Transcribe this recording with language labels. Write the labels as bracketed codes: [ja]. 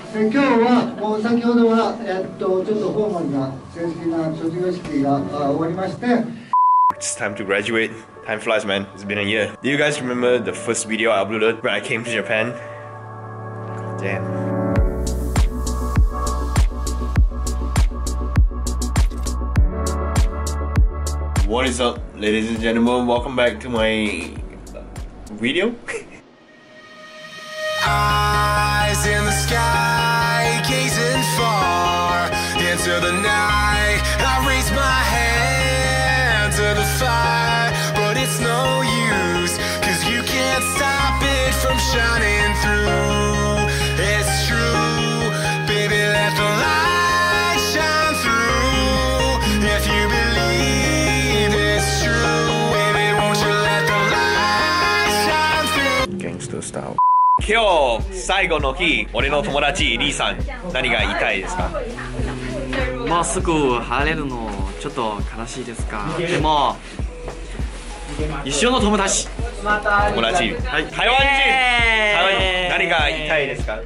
[ja] で今日はもう先ほどは、ちょっとフォーマルな正式な卒業式が終わりまして、 [en] It's time to graduate. Time flies, man. It's been a year. Do you guys remember the first video I uploaded when I came to Japan? God damn. What is up, ladies and gentlemen? Welcome back to my video. Eyes in the sky, gazing far into the night. I raise my hand. But it's no use, cause you can't stop it from shining through. It's true, baby, let the light shine through. If you believe it's true, baby, won't you let the light shine through? Gangster style. [ja] 今日最後の日、俺の友達リーさん、何が言いたいですか？もうすぐ晴れるのちょっと悲しいですか？でも一生の友達、友達、はい、台湾人、台湾人、何が言いたいですか？